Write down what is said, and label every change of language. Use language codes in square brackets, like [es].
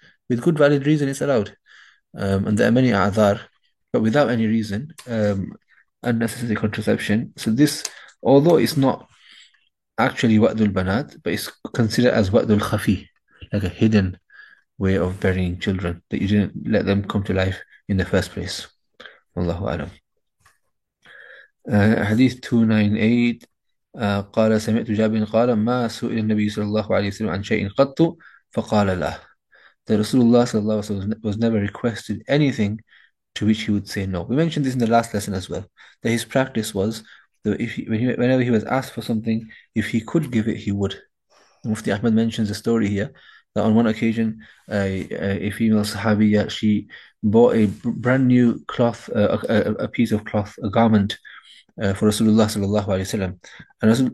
[en] With good valid reason, it's allowed. And there are many a'adhar, but without any reason, unnecessary contraception. So this, although it's not actually wa'dul banat, but it's considered as wa'dul khafi, like a hidden way of burying children, that you didn't let them come to life in the first place. Wallahu a'lam. Hadith 298. [ar] قال سمعت جابر قال ما سئل النبي صلى الله عليه وسلم عن شيء قط فقال لا. [en] The Rasulullah [ar] صلى الله عليه وسلم [en] was never requested anything to which he would say no. We mentioned this in the last lesson as well, that his practice was that whenever he was asked for something, if he could give it, he would. Mufti Ahmad mentions a story here that on one occasion a female Sahabiya, she bought a brand new cloth, a piece of cloth, a garment, for Rasulullah sallallahu alayhi wa sallam.